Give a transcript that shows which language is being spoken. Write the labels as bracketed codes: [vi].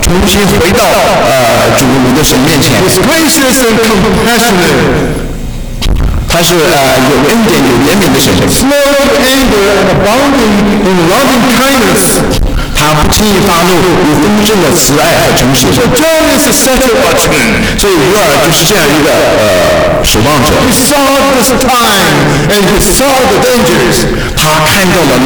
[zh] 重新回到主你的神面前。 [en] He's gracious and compassionate. [zh] 他是有恩典、有怜悯的神。 [en] Slow to anger and abounding in loving kindness. [zh] 他不轻易发怒，有丰盛的慈爱和诚实。 [en] So John is such a watchman. [zh] 所以约珥就是这样一个守望者。 [en] He saw this time and he saw the dangers.